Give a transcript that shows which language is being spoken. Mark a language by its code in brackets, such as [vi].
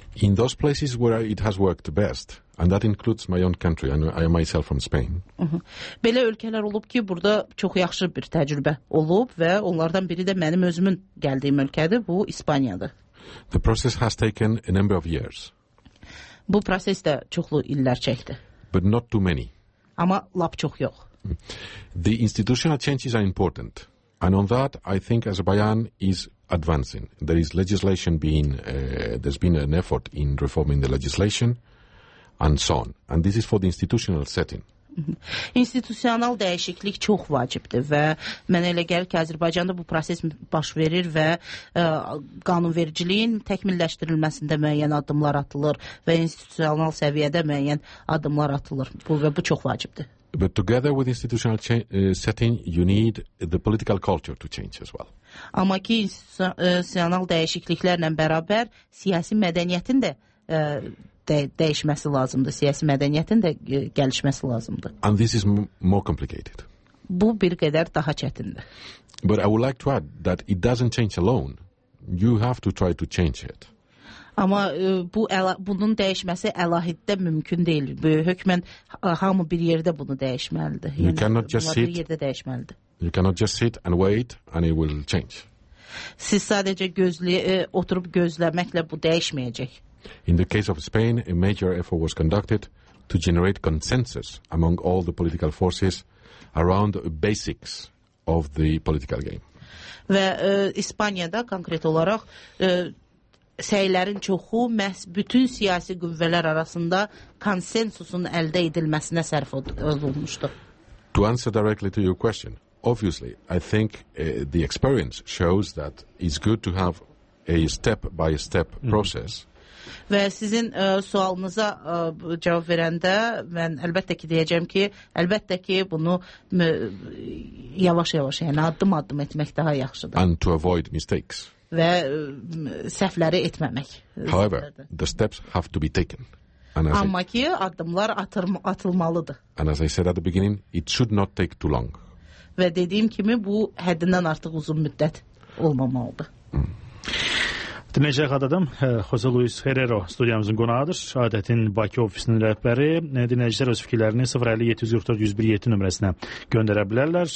[en] In those places where it has worked best, and that includes my own country, and I am myself from Spain. [az] Belə ölkələr olub ki, burada çox yaxşı bir təcrübə olub və onlardan biri də mənim özümün gəldiyim ölkədir, bu İspaniyadır. [en] The process has taken a number of years. [az] Bu proses də çoxlu illər çəkdi. [en] But not too many. [az] Amma lap çox yox. [en] The institutional changes are important. And on that, I think Azerbaijan is advancing. There is legislation being, there's been an effort in reforming the legislation and so on. And this is for the institutional setting. [az] İnstitusional dəyişiklik çox vacibdir və mənə elə gəlir ki, Azərbaycanda bu proses baş verir və qanunvericiliyin təkmilləşdirilməsində müəyyən addımlar atılır və institusional səviyyədə müəyyən addımlar atılır. Bu və bu çox vacibdir. [en] But together with institutional setting, you need the political culture to change as well. [az] Amma ki, institusional dəyişikliklərlə bərabər siyasi mədəniyyətin də dəyişməsi lazımdır, siyasi mədəniyyətin də gəlişməsi lazımdır. [en] And this is more complicated. [az] bu bir qədər daha çətindir. [en] But I would like to add that it doesn't change alone. You have to try to change it. [az] Amma bunun dəyişməsi əlahiddə mümkün deyil. Hökmən hamı bir yerdə bunu dəyişməlidir. [en] You cannot just sit. You cannot just sit and wait and it will change. [az] Siz sadəcə oturub gözləməklə bu dəyişməyəcək. [en] In the case of Spain, a major effort was conducted to generate consensus among all the political forces around the basics of the political game. [az] Və İspaniyada konkret olaraq səylərin çoxu məhz bütün siyasi qüvvələr arasında konsensusun əldə edilməsinə sərf olunmuşdu. [en] To answer directly to your question, obviously, I think the experience shows that it's good to have a step-by-step process. [az] Və sizin sualınıza cavab verəndə mən əlbəttə ki deyəcəm ki, əlbəttə ki bunu yavaş-yavaş, yəni addım-addım etmək daha yaxşıdır. [en] And to avoid mistakes. [az] Və səhvləri etməmək. [en] However, the steps have to be taken. [az] Amma ki addımlar atılmalıdır. [en] And as I said at the beginning, it should not take too long. [az] Və dediyim kimi bu həddindən artıq uzun müddət olmamalıdır. Dinləyici xatadım, José Luis Herrero studiyamızın qonağıdır. Adətin Bakı ofisinin rəhbəri. Dinləyicilər öz fikirlərini 057-744-1017 nömrəsinə göndərə bilərlər.